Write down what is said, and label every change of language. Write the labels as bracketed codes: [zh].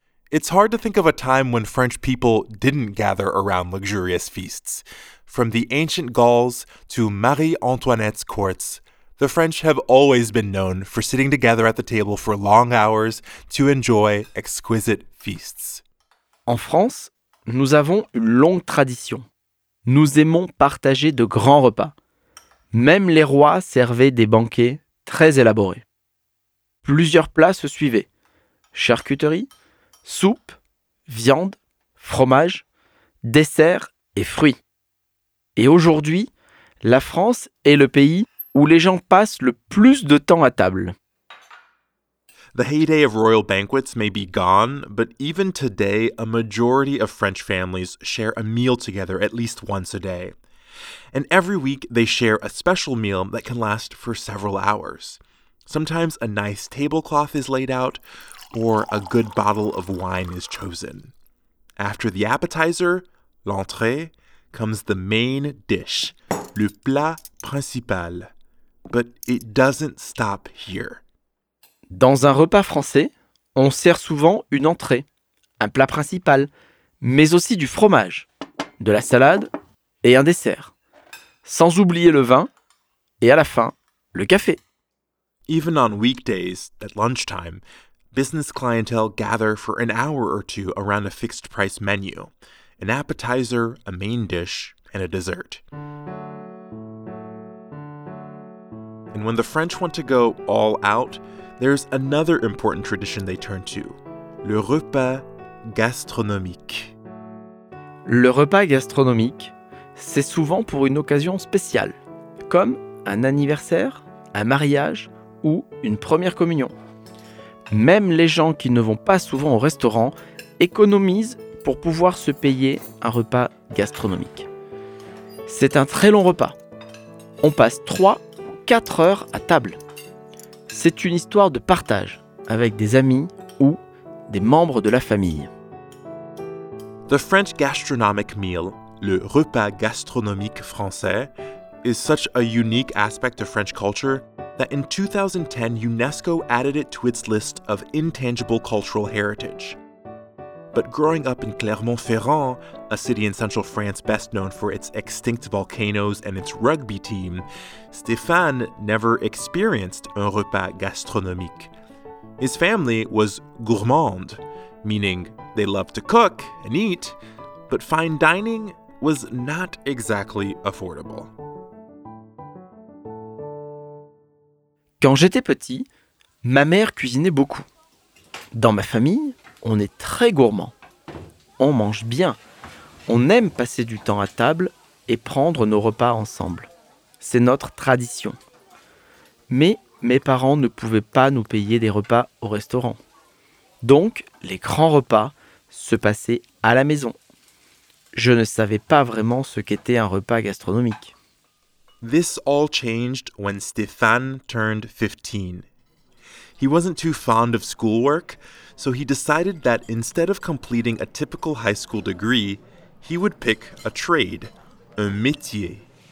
[en] It's hard to think of a time when French people didn't gather around luxurious feasts. From the ancient Gauls to Marie Antoinette's courts, the French have always been known for sitting together at the table for long hours to enjoy exquisite feasts. [fr] En France, nous avons une longue tradition. Nous aimons partager de grands repas. Même les rois servaient des banquets très élaborés. Plusieurs plats se suivaient. Charcuterie, soupe, viande, fromage, dessert et fruits. Et aujourd'hui, la France est le pays où les gens passent le plus de temps à table. [en] The heyday of royal banquets may be gone, but even today, a majority of French families share a meal together at least once a day. And every week, they share a special meal that can last for several hours. Sometimes a nice tablecloth is laid out, or a good bottle of wine is chosen. After the appetizer, [fr] l'entrée, [en] comes the main dish, [fr] le plat principal. [en] But it doesn't stop here. [fr] Dans un repas français, on sert souvent une entrée, un plat principal, mais aussi du fromage, de la salade et un dessert. Sans oublier le vin et à la fin, le café. [en] Even on weekdays, at lunchtime, business clientele gather for an hour or two around a fixed price menu. An appetizer, a main dish, and a dessert. And when the French want to go all out, there's another important tradition they turn to. [fr] Le repas gastronomique. Le repas gastronomique, c'est souvent pour une occasion spéciale, comme un anniversaire, un mariage ou une première communion. Même les gens qui ne vont pas souvent au restaurant économisent pour pouvoir se payer un repas gastronomique. C'est un très long repas. On passe 3 ou 4 heures à table. C'est une histoire de partage avec des amis ou des membres de la famille. [en] The French gastronomic meal, [fr] le repas gastronomique français, [en] is such a unique aspect of French culture that in 2010, UNESCO added it to its list of intangible cultural heritage. But growing up in Clermont-Ferrand, a city in central France best known for its extinct volcanoes and its rugby team, Stéphane never experienced [fr] un repas gastronomique. [en] His family was gourmand, meaning they loved to cook and eat, but fine dining was not exactly affordable. [fr] Quand j'étais petit, ma mère cuisinait beaucoup. Dans ma famille, on est très gourmand. On mange bien. On aime passer du temps à table et prendre nos repas ensemble. C'est notre tradition. Mais mes parents ne pouvaient pas nous payer des repas au restaurant. Donc, les grands repas se passaient à la maison. Je ne savais pas vraiment ce qu'était un repas gastronomique. [en] This all changed when Stéphane turned 15. He wasn't too fond of schoolwork, so he decided that instead of completing a typical high school degree, he would pick a trade, [fr] un métier.